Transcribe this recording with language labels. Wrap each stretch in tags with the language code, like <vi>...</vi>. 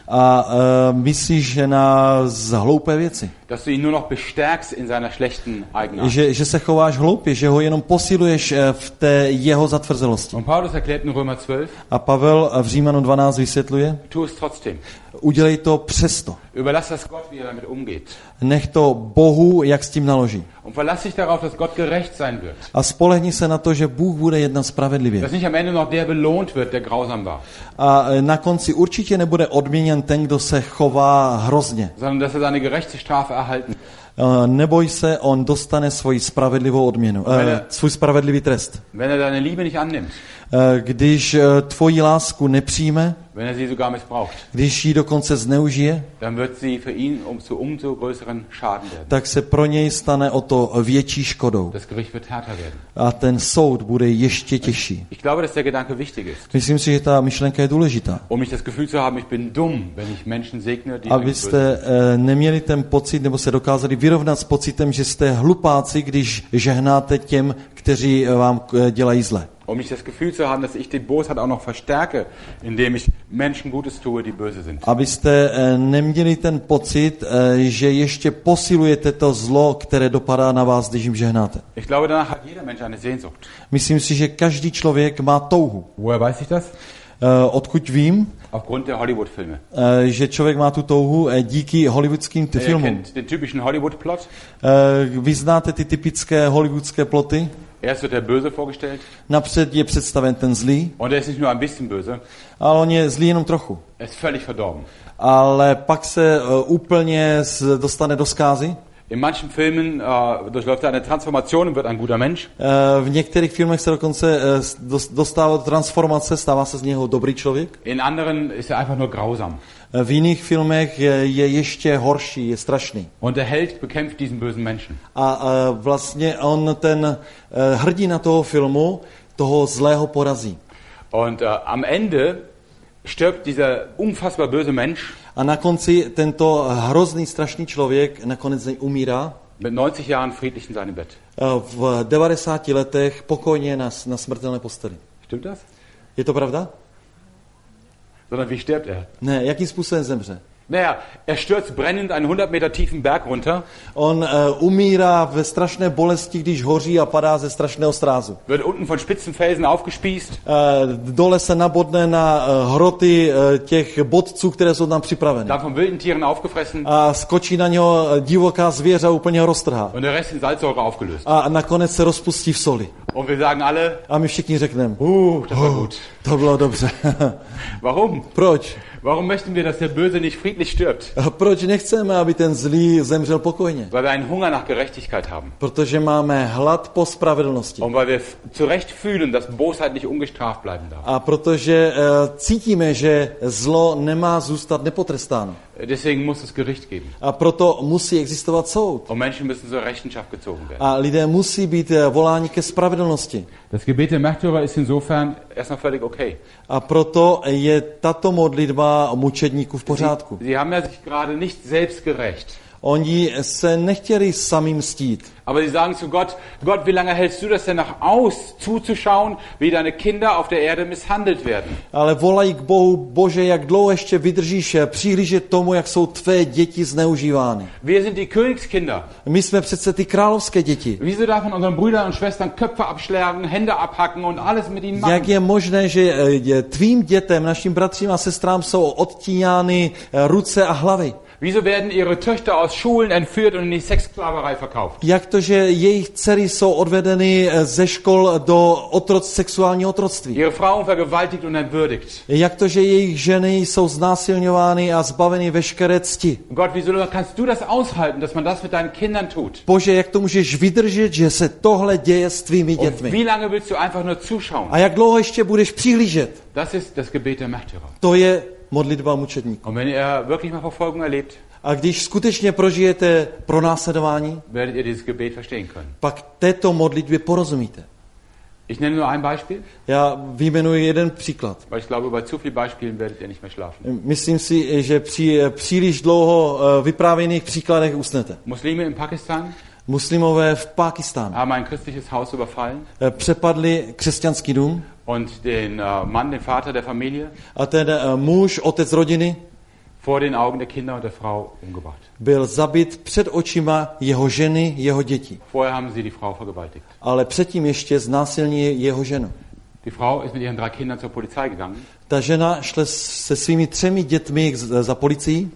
<cs>A myslíš, že na zhloupé věci.</cs> <de>Dass du ihn nur noch bestärkst in seiner schlechten Eigenart.</de> <cs>Že se chováš hloupě, že ho jenom posiluješ v té jeho zatvrzelosti.</cs> <de>Und Paulus erklärt in Römer 12.</de> <cs>A Pavel v Římanu 12 vysvětluje.</cs> <de>Tu es trotzdem.</de> <cs>Udělej to přesto.</cs> <de>Überlass das Gott, wie er damit umgeht.</de> <cs>Nech to Bohu, jak s tím naloží.</cs> <de>Und verlass dich darauf, dass Gott gerecht sein wird.</de> <cs>A spolehni se na to, že Bůh bude jednat spravedlivě.</cs> <de>Dass nicht am Ende noch der belohnt wird, der grausam war.</de> <cs>A na konci určitě nebude odměněn ten, kdo se chová hrozně.</cs> <de>Sondern dass er seine gerechte Strafe erhalten.</de> <cs>Neboj se, on dostane svoji spravedlivou odměnu, svůj spravedlivý trest.</cs> <de>Wenn er deine Liebe nicht annimmt.</de> <cs>Když tvoji lásku nepřijme,</cs> <de>wenn er sie sogar missbraucht,</de> <cs>když ji dokonce zneužije,</cs> <de>dann wird sie für ihn umso größeren Schaden werden.</de> <cs>Tak se pro něj stane o to větší škodou.</cs> <de>Das Gericht wird härter werden.</de> <cs>A ten soud bude ještě těžší.</cs> <de>Ich glaube, dass der Gedanke wichtig ist.</de> <cs>Myslím si, že ta myšlenka je důležitá.</cs> <de>Um mich das Gefühl zu haben, ich bin dumm, wenn ich Menschen segne, die</de> <cs>abyste neměli ten pocit, nebo se dokázali vyrovnat s pocitem, že jste hlupáci, když žehnáte těm, kteří vám dělají zle.</cs> <de>Um mich das Gefühl zu haben, dass ich die Bosheit auch noch verstärke, indem ich Menschen Gutes tue, die böse sind.</de> <cs>Abyste neměli ten pocit, že ještě posilujete to zlo, které dopadá na vás, když jim žehnáte.</cs> <de>Ich glaube, danach hat jeder Mensch eine Sehnsucht.</de> <cs>Myslím si, že každý člověk má touhu.</cs> <de>Woher weiß ich das?</de> <cs>Odkud vím?</cs> <de>Aufgrund der Hollywood-Filme.</de> <cs>Že člověk má tu touhu díky hollywoodským filmům.</cs> <de>Den typischen Hollywood-Plot.</de> <cs>Vy znáte ty typické hollywoodské ploty?</cs> <de>Erst wird der Böse vorgestellt.</de> <cs>Napřed je představen ten zlý.</cs> <de>Und er ist nicht nur ein bisschen böse.</de> <cs>Ale on je zlý jenom trochu.</cs> <de>Er ist völlig verdorben.</de> <cs>Ale pak se úplně dostane do skázy.</cs> <de>In manchen Filmen durchläuft er eine Transformation und wird ein guter Mensch.</de> <cs>V některých filmech se dokonce dostává do transformace, stává se z něho dobrý člověk.</cs> <de>In anderen ist er einfach nur grausam.</de> <cs>V jiných filmech je ještě horší, je strašný.</cs> <de>Und der Held bekämpft diesen bösen Menschen.</de> <cs>A vlastně on ten hrdina toho filmu toho zlého porazí.</cs> <de>Und am Ende stirbt dieser unfassbar böse Mensch.</de> <cs>A na konci tento hrozný, strašný člověk nakonec umírá.</cs> <de>Mit 90 Jahren friedlich in seinem Bett.</de> <cs>V 90 letech pokojně na smrtelné posteli.</cs> <de>Stimmt das?</de> <cs>Je to pravda?</cs> <de>Sondern wie stirbt er?</de> <cs>Ne, jakým způsobem zemře?</cs> <de>Naja, er stürzt brennend einen 100 Meter tiefen Berg runter.</de> <cs>On umírá ve strašné bolesti, když hoří a padá ze strašného srázu.</cs> <de>Wird unten von spitzen Felsen aufgespießt.</de> <cs>Dole se nabodne na hroty těch bodců, které jsou tam připraveny.</cs> <de>Dann von wilden Tieren aufgefressen.</de> <cs>A skočí na něho divoká zvěře úplně roztrhá.</cs> <de>Und der Rest in Salzsäure aufgelöst.</de> <cs>A nakonec se rozpustí v soli.</cs> <de>Und wir sagen alle,</de> <cs>a my všichni řekneme,</cs> <de>gut.</de> <cs>To bylo dobře.</cs> <de>Warum?</de> <cs>Proč?</cs> <de>Warum möchten wir, dass der Böse nicht friedlich stirbt?</de> <cs>Proč nechceme, aby ten zlý zemřel pokojně?</cs> <de>Weil wir einen Hunger nach Gerechtigkeit haben.</de> <cs>Protože máme hlad po spravedlnosti.</cs> <de>Und weil wir zu Recht fühlen, dass Bosheit nicht ungestraft bleiben darf.</de> <cs>A protože cítíme, že zlo nemá zůstat nepotrestáno.</cs> <de>Deswegen muss es Gericht geben.</de> <cs>A proto musí existovat soud.</cs> <de>Und Menschen müssen zur Rechenschaft gezogen werden.</de> <cs>A lidé musí být voláni ke spravedlnosti.</cs> <de>Das Gebet der Märtyrer ist insofern erstmal völlig okay.</de> <cs>A proto je tato modlitba mučedníků v pořádku.</cs> <de>Sie haben ja sich gerade nicht selbst gerecht.</de> <cs>Oni se nechtěli sami mstít.</cs> <de>Aber sie sagen zu Gott, Gott, wie lange hältst du das denn nach aus, zuzuschauen, wie deine Kinder auf der Erde misshandelt werden?</de> <cs>Ale volají k Bohu, Bože, jak dlouho ještě vydržíš přihlížet tomu, jak jsou tvé děti zneužívány?</cs> <de>Wir sind die Königskinder.</de> <cs>My jsme přece ty královské děti.</cs> <de>Wieso darf man unseren Brüdern und Schwestern Köpfe abschlagen, Hände abhacken und alles mit ihnen machen?</de> <cs>Jak je možné, že tvým dětem, našim bratřím a sestrám jsou odtíňány ruce a hlavy?</cs> <de>Wieso werden ihre Töchter aus Schulen entführt und in die Sexsklaverei verkauft?</de> <cs>Jak to, že jejich dcery jsou odvedeny ze škol do sexuálního otroctví?</cs> <de>Ihre Frauen vergewaltigt und entwürdigt?</de> <cs>Jak to, že jejich ženy jsou znásilňovány a zbaveny veškeré cti?</cs> <de>Gott, wieso kannst du das aushalten, dass man das mit deinen Kindern tut?</de> <cs>Bože, jak to můžeš vydržet, že se tohle děje s tvými dětmi?</cs> <de>Wie lange willst du einfach nur zuschauen?</de> <cs>A jak dlouho ještě budeš přihlížet?</cs> <de>Das ist das Gebet der Märtyrer.</de> <cs>To je modlitba mučedníků.</cs> <de>Und wenn ihr wirklich mal Verfolgung erlebt,</de> <cs>a když skutečně prožijete pronásledování,</cs> <de>werdet ihr dieses Gebet verstehen können.</de> <cs>Pak této modlitbě porozumíte.</cs> <de>Ich nenne nur ein Beispiel.</de> <cs>Já vyjmenuji jeden příklad.</cs> <de>Weil ich glaube, bei zu vielen Beispielen werdet ihr nicht mehr schlafen.</de> <cs>Myslím si, že při příliš dlouho vyprávěných příkladech usnete.</cs> <de>Muslime in Pakistan.</de> <cs>Muslimové v Pakistánu.</cs> <de>Haben ein christliches Haus überfallen.</de> <cs>Přepadli křesťanský dům.</cs> <de>Und den Mann, den Vater der Familie.</de> <cs>A ten muž, otec rodiny.</cs> <de>Vor den Augen der Kinder und der Frau umgebracht.</de> <cs>Byl zabit před očima jeho ženy, jeho děti.</cs> <de>Vorher haben sie die Frau vergewaltigt.</de> <cs>Ale předtím ještě znásilnili jeho ženu.</cs> <de>Die Frau ist mit ihren drei Kindern zur Polizei gegangen.</de> <cs>Ta žena šla se svými třemi dětmi za policii.</cs>